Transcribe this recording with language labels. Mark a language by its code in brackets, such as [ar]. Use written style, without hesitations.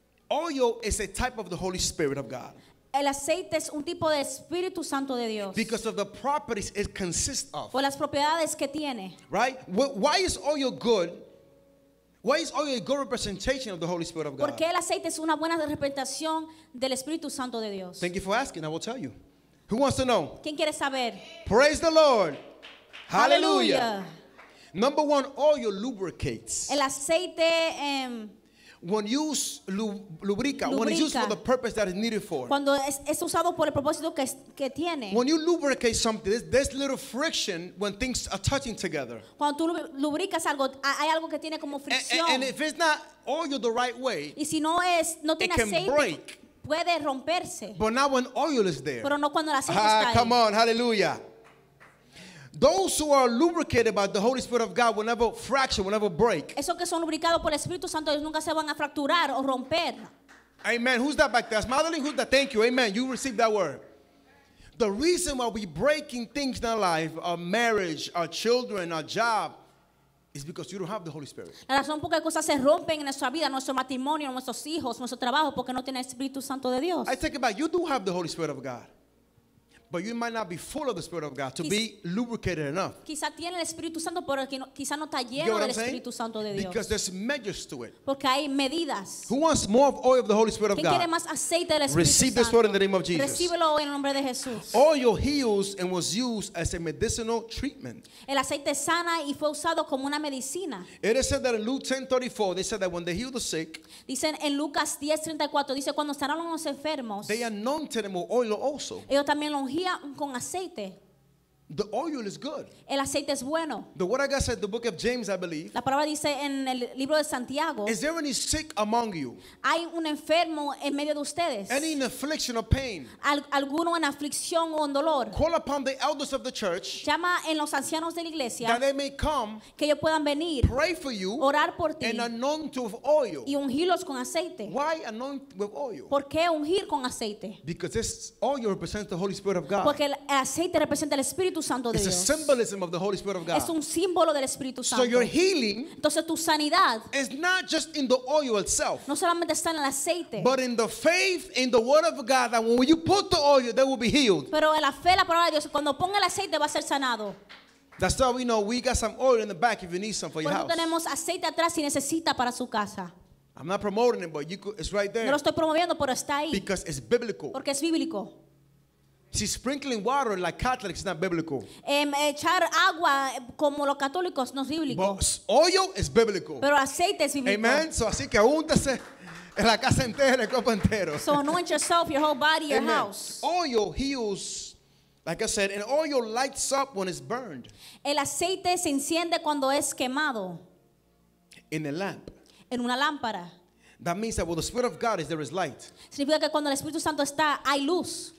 [en] Oil is a type of the Holy Spirit of God. [es] El aceite es un tipo de Espíritu Santo de Dios. [en] Because of the properties it consists of. [es] Por las propiedades que tiene. [en] Right? Why is oil good? Why is oil a good representation of the Holy Spirit of God? [es] Porque el aceite es una buena representación del Espíritu Santo de Dios. [en] Thank you for asking. I will tell you. Who wants to know? [es] ¿Quién quiere saber? [en] Praise the Lord. Hallelujah. Number one, oil lubricates. [es] El aceite... [en] When used lubrica, when it's used for the purpose that it's needed for. [es] Cuando es usado por el propósito que tiene. [en] When you lubricate something, there's little friction when things are touching together. [es] Cuando tú lubricas algo, hay algo que tiene como fricción. [en] And if it's not oil the right way, [es] y si no es, no tiene [en] it can [es] aceite, [en] break. [es] Puede romperse. [en] But not when oil is there. [es] Pero no cuando el aceite está ahí. [en] Come on, hallelujah. Those who are lubricated by the Holy Spirit of God will never fracture, will never break. [es] Esos que son lubricados por el Espíritu Santo nunca se van a fracturar o romper. [en] Amen. Who's that back there? That's Madeline. Who's that? Thank you. Amen. You received that word. The reason why we're breaking things in our life, our marriage, our children, our job, is because you don't have the Holy Spirit. [es] La razón por qué cosas se rompen en nuestra vida, nuestro matrimonio, nuestros hijos, nuestro trabajo, porque no tiene el Espíritu Santo de Dios. [en] I take it back. You do have the Holy Spirit of God. But you might not be full of the Spirit of God to be lubricated enough. [es] Quizá tiene el Espíritu Santo, pero quizá no está lleno del Espíritu Santo de Dios. [en] Because there's measures to it. [es] Porque hay medidas. [en] Who wants more of oil of the Holy Spirit of God? [es] ¿Quién quiere más aceite del Espíritu Santo? [en] Receive this word in the name of Jesus. [es] Recíbelo en el nombre de Jesús. [en] Oil heals and was used as a medicinal treatment. [es] El aceite sana y fue usado como una medicina. [en] It is said that in Luke 10:34, they said that when they heal the sick, [es] dicen en Lucas 10:34, dice cuando sanaron los enfermos, [en] they anointed them with oil also. [es] Ellos también lo con aceite. [en] The oil is good. [es] El aceite es bueno. [en] The word of God said, the book of James, I believe. [es] La palabra dice en el libro de Santiago. [en] Is there any sick among you? [es] Hay un enfermo en medio de ustedes. [en] Any in affliction or pain? [es] Alguno en aflicción o en dolor. [en] Call upon the elders of the church. [es] Llama en los ancianos de la iglesia. [en] That they may come. [es] Que ellos puedan venir. [en] Pray for you. [es] Orar por ti. [en] And anoint with oil. [es] Y ungirlos con aceite. [en] Why anoint with oil? [es] ¿Por qué ungir con aceite? [en] Because this oil represents the Holy Spirit of God. [es] Porque el aceite representa el Espíritu. [en] It's a symbolism of the Holy Spirit of God. [es] Es un símbolo del Espíritu Santo. [en] So your healing, [es] entonces tu sanidad, [en] is not just in the oil itself. [es] No solamente está en el aceite, [en] but in the faith in the Word of God that when you put the oil, they will be healed. [es] Pero en la fe, la palabra de Dios, cuando ponga el aceite, va a ser sanado. [en] That's how we know we got some oil in the back if you need some for your house. [es] Tenemos aceite atrás si necesita para su casa. [en] I'm not promoting it, but you could, it's right there. [es] No lo estoy promoviendo, pero está ahí. [en] Because it's biblical. [es] Porque es bíblico. [en] See, sprinkling water like Catholics is not biblical. [es] Echar agua como los católicos no es bíblico. [en] But oil is biblical. [es] Pero aceite es bíblico. [en] Amen. [es] So así que úntese en la casa entera, el cuerpo entero. [en] So anoint yourself, your whole body, your Amen. House. Oil heals, like I said, and oil lights up when it's burned. [es] El aceite se enciende cuando es quemado. [en] In a lamp. [es] En una lámpara. [en] That means that when the Spirit of God is there is light. [es] Significa que cuando el Espíritu Santo está hay luz.